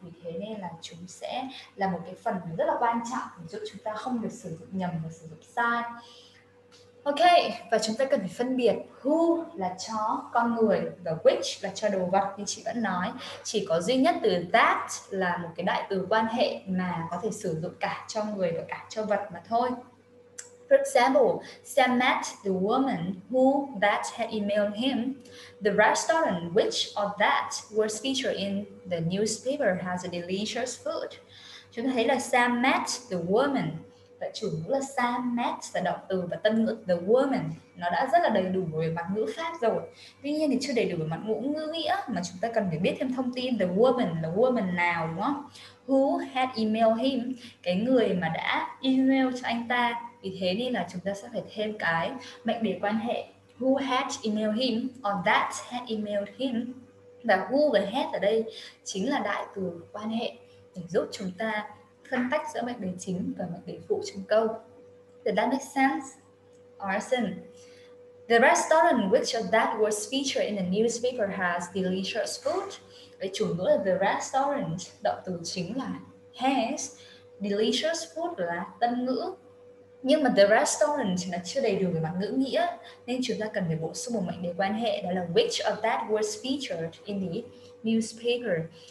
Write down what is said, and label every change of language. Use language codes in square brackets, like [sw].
[vi] Vì thế nên là chúng sẽ là một cái phần rất là quan trọng để giúp chúng ta không được sử dụng nhầm và sử dụng sai. Ok, và chúng ta cần phải phân biệt who là cho con người và which là cho đồ vật. Như chị vẫn nói, chỉ có duy nhất từ that là một cái đại từ quan hệ mà có thể sử dụng cả cho người và cả cho vật mà thôi. [en] For example, Sam met the woman who that had emailed him. The restaurant which of that was featured in the newspaper has a delicious food. [vi] Chúng ta thấy là [en] Sam met the woman. [vi] Và chủ ngữ là Sam met là động từ, và tân ngữ the woman nó đã rất là đầy đủ về mặt ngữ pháp rồi. Tuy nhiên thì chưa đầy đủ về mặt ngữ nghĩa, mà chúng ta cần phải biết thêm thông tin the woman là woman nào, đúng không? [en] Who had emailed him, [vi] cái người mà đã email cho anh ta. Vì thế nên là chúng ta sẽ phải thêm cái mệnh đề quan hệ [en] who had emailed him [vi] or that had emailed him. Và who và had ở đây chính là đại từ quan hệ để giúp chúng ta phân tách giữa mệnh đề chính và mệnh đề phụ trong câu. [en] Does that make sense? Awesome. The restaurant which of that was featured in the newspaper has delicious food. [vi] Vậy chủ ngữ là the restaurant, động từ chính là has. Delicious food là tân ngữ. Nhưng mà the restaurant nó chưa đầy đủ về mặt ngữ nghĩa, nên chúng ta cần phải bổ sung một mệnh đề quan hệ, đó là [en] which of that was featured in the newspaper.